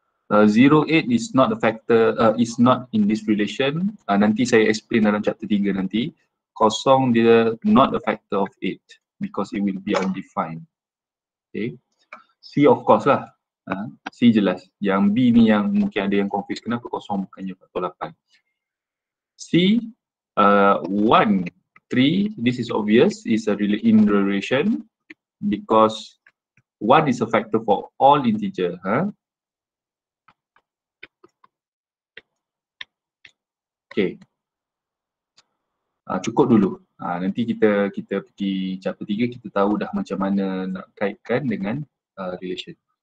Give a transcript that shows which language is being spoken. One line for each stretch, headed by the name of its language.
English: 08 is not a factor, is not in this relation.
Malay: Nanti saya explain dalam chapter 3 nanti. Kosong dia
English: not a factor of 8 because it will be undefined.
Malay: Okay. C of course lah. C jelas. Yang B ni yang mungkin ada yang confused. Kenapa kosong bukannya faktor 8?
English: C, 1, 3, this is obvious, is a really in relation because 1 is a factor for all integer.
Malay: Okay. Cukup dulu. Nanti kita pergi chapter 3, kita tahu dah macam mana nak kaitkan dengan relation.